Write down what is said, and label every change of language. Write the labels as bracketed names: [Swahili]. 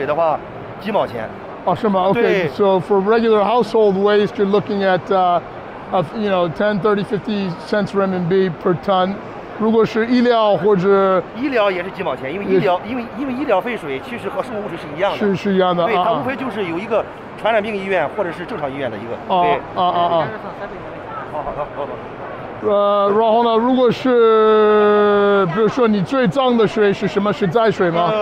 [Chinese] 费用呢，就是在大概每吨的费用吗？对，每吨的费用。那你要按照你要是要做什么废水了，你如果说生活污水的话，啊，你这一吨的废水的话，几毛钱？哦，是吗？ [English] OK， 对 ，So for regular household waste, you're looking at, you know, 10, 30, 50 cents RMB per ton. [Chinese] 如果是医疗或者医疗也是几毛钱，因为医疗废水其实和生活污水是一样的，是一样的，对，它无非就是有一个传染病医院或者是正常医院的一个。啊啊啊！好的，然后呢，如果是比如说你最脏的水是什么？是灾水吗？